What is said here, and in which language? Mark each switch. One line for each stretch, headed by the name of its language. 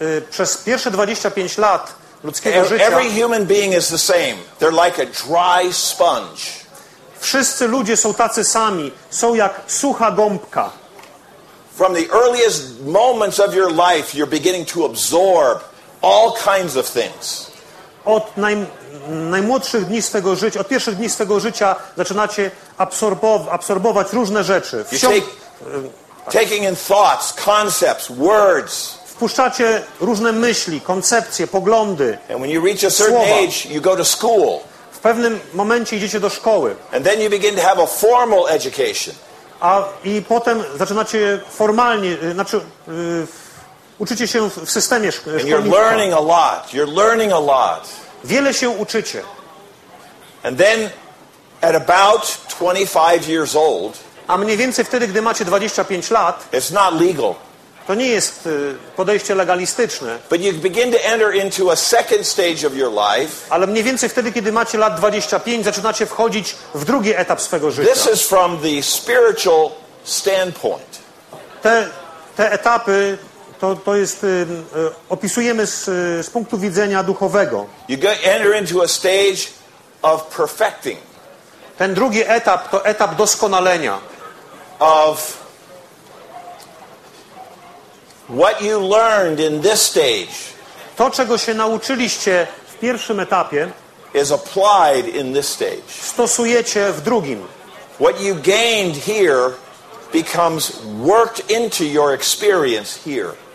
Polish: Przez pierwsze 25 lat ludzkiego życia.
English: Every human being is the same. They're like a dry sponge.
Polish: Wszyscy ludzie są tacy sami, są jak sucha gąbka.
English: From the earliest moments of your life, you're beginning to absorb all kinds of things.
Polish: Od najmłodszych dni swego życia, od pierwszych dni swego życia zaczynacie absorbować różne rzeczy.
English: Taking in thoughts, concepts, words.
Polish: Wpuszczacie różne myśli, koncepcje, poglądy.
English: And when you reach a certain age, you go to school.
Polish: W pewnym momencie idziecie do szkoły.
English: And then you begin to have a formal education.
Polish: I potem zaczynacie formalnie, znaczy uczycie się w systemie szkolnictwa.
English: And you're learning a lot. You're learning a lot.
Polish: Wiele się uczycie.
English: And then at about 25 years old.
Polish: A mniej więcej wtedy, gdy macie 25 lat,
English: it's not legal.
Polish: To nie jest podejście legalistyczne.
English: But you begin to enter into a second stage of your life.
Polish: Ale mniej więcej wtedy, kiedy macie lat 25, zaczynacie wchodzić w drugi etap swego życia.
English: This is from the spiritual standpoint.
Polish: Te etapy to jest opisujemy z punktu widzenia duchowego.
English: You enter into a stage of perfecting.
Polish: Ten drugi etap to etap doskonalenia.
English: Of what you learned in this stage.
Polish: To, czego się nauczyliście w pierwszym etapie,
English: is applied in this stage.
Polish: Stosujecie w drugim.
English: What you gained here becomes worked into your experience here.